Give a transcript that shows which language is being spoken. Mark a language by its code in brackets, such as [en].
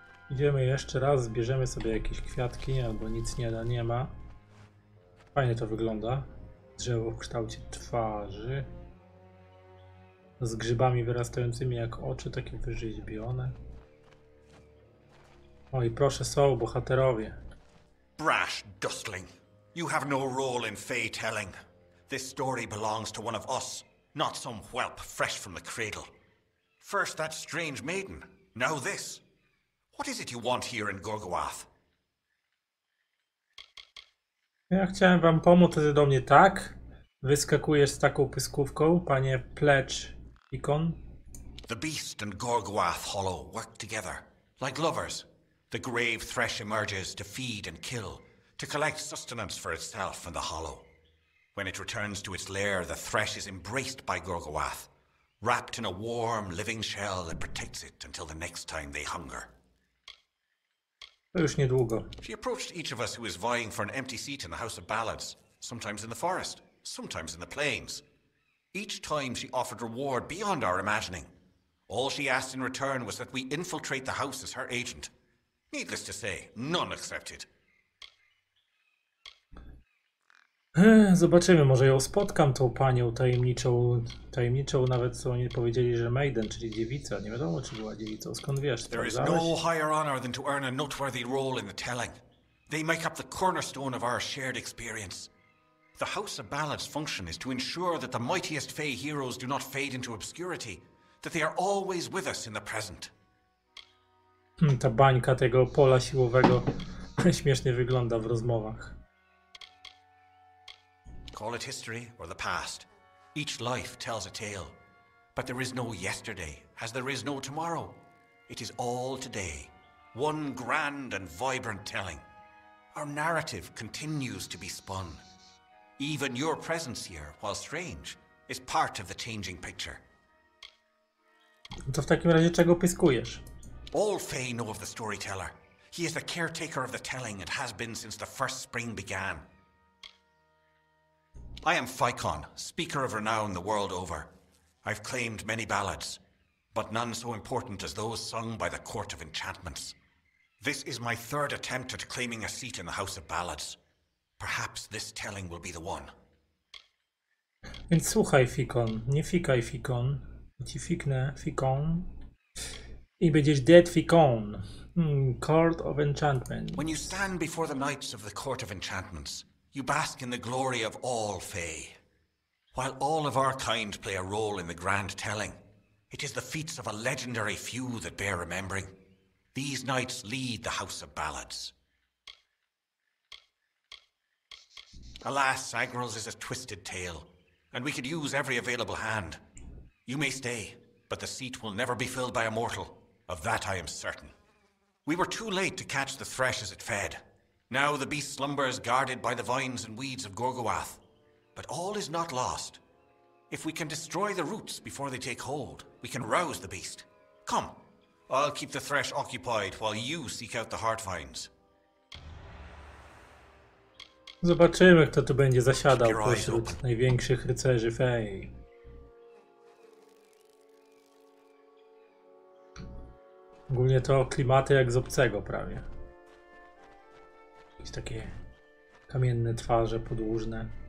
[pl] Idziemy jeszcze raz, zbierzemy sobie jakieś kwiatki, albo nic nie da, nie ma. Fajnie to wygląda. Drzewo w kształcie twarzy. Z grzybami wyrastającymi jak oczy, takie wyrzeźbione. O i proszę, są bohaterowie. [en] Brash dustling, you have no role in fey telling. This story belongs to one of us, not some whelp fresh from the cradle. First that strange maiden, now this. What is it you want here in Gorgoath? [pl] Ja chciałem wam pomóc, ty do mnie tak? Wyskakujesz z taką pyskówką, panie Plecz Ikon. [en] The beast and Gorgoath Hollow work together, like lovers. The grave thresh emerges to feed and kill, to collect sustenance for itself and the hollow. When it returns to its lair, the thresh is embraced by Gorgoath, wrapped in a warm, living shell that protects it until the next time they hunger. [pl] To już niedługo. [en] She approached each of us who is vying for an empty seat in the House of Ballads, sometimes in the forest, sometimes in the plains. Each time she offered reward beyond our imagining. All she asked in return was that we infiltrate the house as her agent. Needless to say, none accepted. [pl] Zobaczymy, może ją spotkam, tą panią tajemniczą. Tajemniczą, nawet co oni powiedzieli, że maiden, czyli dziewica. Nie wiadomo, czy była dziewicą. Skąd wiesz? [en] There is no higher honor than to earn a noteworthy role in the telling. They make up the cornerstone of our shared experience. The House of Ballads' function is to ensure that the mightiest fey heroes do not fade into obscurity, that they are always with us in the present. [pl] Ta bańka tego pola siłowego śmiesznie wygląda w rozmowach. [en] Call it history or the past. Each life tells a tale. But there is no yesterday, as there is no tomorrow. It is all today. One grand and vibrant telling. Our narrative continues to be spun. Even your presence here, while strange, is part of the changing picture. [pl] To w takim razie czego piskujesz? [en] All Fey know of the storyteller. He is the caretaker of the telling and has been since the first spring began. I am Phaikon, speaker of renown the world over. I've claimed many ballads, but none so important as those sung by the Court of Enchantments. This is my third attempt at claiming a seat in the House of Ballads. Perhaps this telling will be the one. [pl] Więc słuchaj, Phaikon, nie fikaj, Phaikon. Ci fiknę, Phaikon. I będziesz dead Phaikon. [en] Court of Enchantments. When you stand before the knights of the Court of Enchantments, you bask in the glory of all Fae. While all of our kind play a role in the grand telling, It is the feats of a legendary few that bear remembering. These knights lead the House of Ballads. Alas, Sagril's is a twisted tale, and we could use every available hand. You may stay, but the seat will never be filled by a mortal. Of that I am certain. We were too late to catch the thresh as it fed. Now the beast slumbers guarded by the vines and weeds of Gorgowath. But all is not lost. If we can destroy the roots before they take hold, we can rouse the beast. Come, I'll keep the thresh occupied while you seek out the heart vines. [pl] Zobaczymy, kto tu będzie zasiadał pośród największych rycerzy fej. Ogólnie to klimaty jak z obcego prawie. Jakieś takie kamienne twarze podłużne.